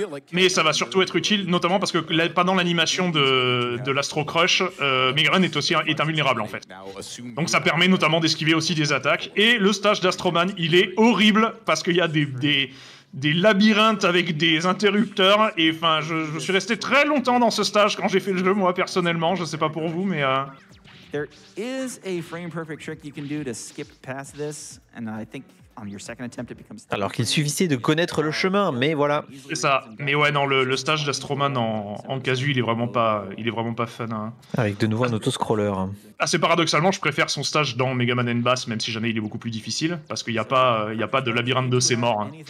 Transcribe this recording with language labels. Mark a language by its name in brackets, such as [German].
[French] Mais ça va surtout être utile, notamment parce que pendant l'animation de l'Astro Crush, Megaman est invulnérable en fait. Donc ça permet notamment d'esquiver aussi des attaques. Et le stage d'Astroman, il est horrible parce qu'il y a des labyrinthes avec des interrupteurs. Et enfin, je suis resté très longtemps dans ce stage quand j'ai fait le jeu, moi personnellement. Je sais pas pour vous, mais. [English] There is a frame perfect trick you can do to skip past this, and I think. [French] Alors qu'il suffisait de connaître le chemin, mais voilà. C'est ça. Mais ouais, non, le stage d'Astroman en casu, il est vraiment pas fun. Hein. Avec de nouveau un auto-scroller. Assez paradoxalement, je préfère son stage dans Mega Man & Bass, même si jamais il est beaucoup plus difficile, parce qu'il n'y a pas de labyrinthe de ses morts.